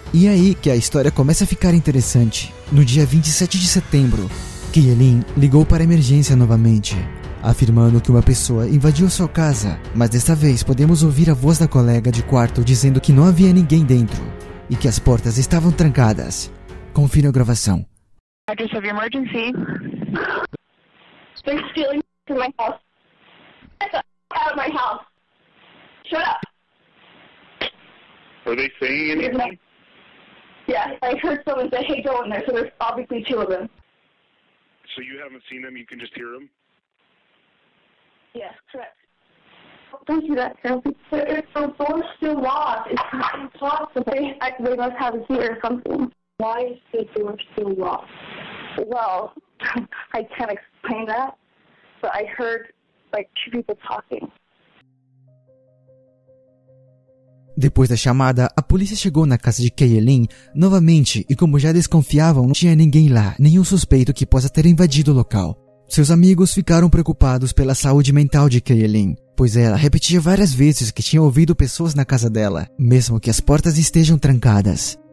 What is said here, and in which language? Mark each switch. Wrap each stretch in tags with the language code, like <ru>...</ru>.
<pt>E é aí que a história começa a ficar interessante. No dia 27 de setembro, Kaylin ligou para a emergência novamente, afirmando que uma pessoa invadiu sua casa, mas desta vez podemos ouvir a voz da colega de quarto dizendo que não havia ninguém dentro e que as portas estavam trancadas. Confira a gravação.</pt> <en>Address of your emergency. She's been stealing from my house. Get the f*** out of my house. Shut up. Are they saying anything? Yeah, I heard someone say, hey, go in there. So there's obviously two of them. So you haven't seen them, you can just hear them? Yes, correct. Don't do that, Sam. The door's still locked. It's not impossible. They must have a key or something. Why is the door still locked? Well, I can't explain that, but I heard, like, two people talking.</en> <pt>Depois da chamada, a polícia chegou na casa de Kaylin novamente e, como já desconfiavam, não tinha ninguém lá, nenhum suspeito que possa ter invadido o local. Seus amigos ficaram preocupados pela saúde mental de Kaylin, pois ela repetia várias vezes que tinha ouvido pessoas na casa dela, mesmo que as portas estejam trancadas.</pt>